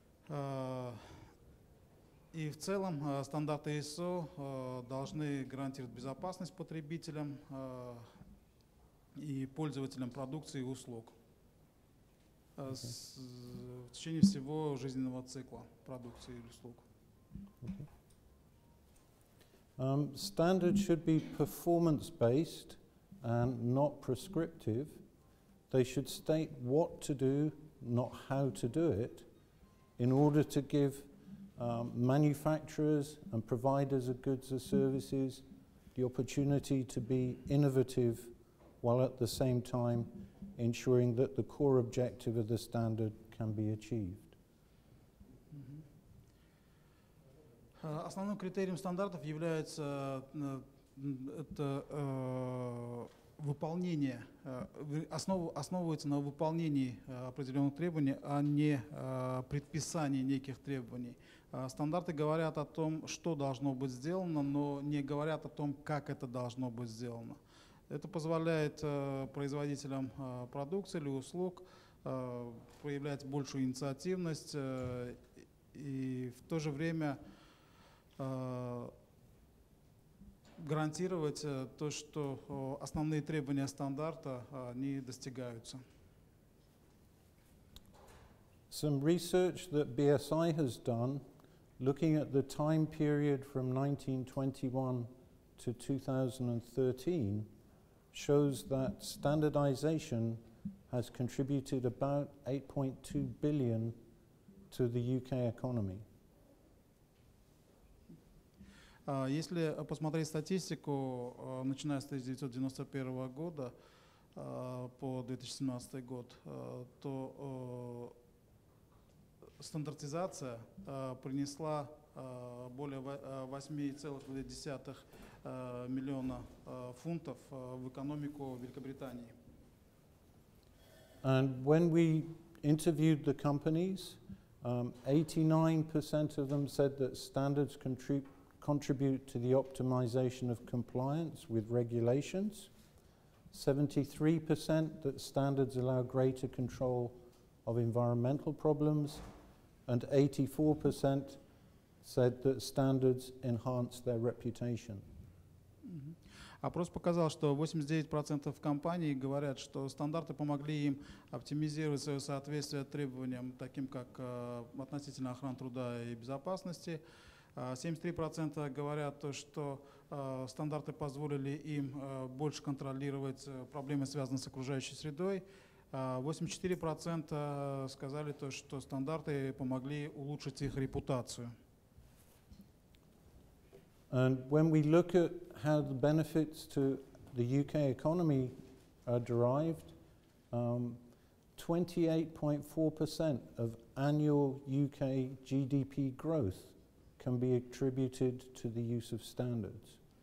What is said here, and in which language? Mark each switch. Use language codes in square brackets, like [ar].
[ru] И в целом стандарты ISO должны гарантировать безопасность потребителям и пользователям продукции и услуг в течение всего жизненного цикла продукции и услуг. [en] Standards should be performance-based and not prescriptive. They should state what to do, not how to do it, in order to give manufacturers and providers of goods and services the opportunity to be innovative while at the same time ensuring that the core objective of the standard can be achieved. [ru] Основным критерием стандартов является это, выполнение, основывается на выполнении определенных требований, а не предписании неких требований. Стандарты говорят о том, что должно быть сделано, но не говорят о том, как это должно быть сделано. Это позволяет производителям продукции или услуг проявлять большую инициативность и в то же время гарантировать то, что основные требования стандарта не достигаются. [en] Some research that BSI has done, looking at the time period from 1921 to 2013, shows that standardization has contributed about 8.2 billion to the UK economy. [ru] Если посмотреть статистику, начиная с 1991 года по 2017 год, то стандартизация принесла более 8,2 миллиона фунтов в экономику Великобритании. [en] And when we interviewed the companies, 89% of them said that standards contribute to the optimization of compliance with regulations, 73% that standards allow greater control of environmental problems, and 84% said that standards enhance their reputation. [ru] Опрос показал, что 89% компаний говорят, что стандарты помогли им оптимизировать свое соответствие требованиям, таким как относительно охраны труда и безопасности. 73% говорят то, что стандарты позволили им больше контролировать проблемы, связанные с окружающей средой. 84% сказали то, что стандарты помогли улучшить их репутацию. [en] And when we look at how the benefits to the UK economy are derived, 28.4% of annual UK GDP growth can be attributed to the use of standards.